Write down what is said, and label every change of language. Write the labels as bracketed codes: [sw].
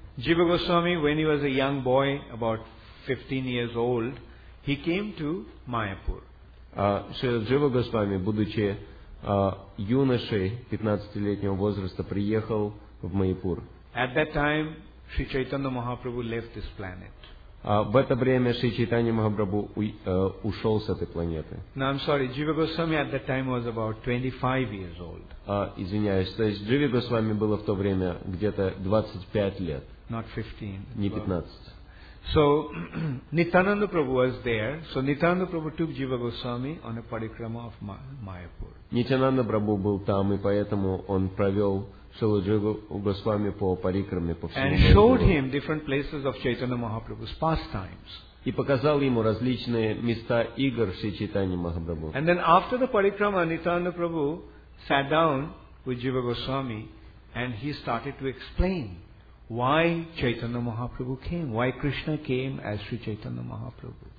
[en] Jiva Goswami, when he was a young boy, about 15 years old, he came to Mayapur. [ru] Srila Jiva Goswami, будучи юношей 15-летнего возраста, приехал в Майпур. [en] At that time, Sri Chaitanya Mahaprabhu left this planet. [ru] В это время Шри Чайтанья Махапрабху ушел с этой планеты. [en] No, I'm sorry, Jiva Goswami at that time was about 25 years old. [ru] Извиняюсь, то есть Дживи Госвами было в то время где-то 25 лет. [en] Not 15. [ru] Не 15. [en] So, Nityananda Prabhu was there. So, Nityananda Prabhu took Jiva Goswami on a parikrama of Mayapur. [ru] Nityananda Prabhu был там, и поэтому он провел [en] And showed him different places of Chaitanya Mahaprabhu's pastimes. [ru] И показал ему различные места игр Шри Чайтаньи Махапрабху. [en] And then after the parikrama, Nityananda Prabhu sat down with Jiva Goswami and he started to explain why Chaitanya Mahaprabhu came, why Krishna came as Sri Chaitanya Mahaprabhu.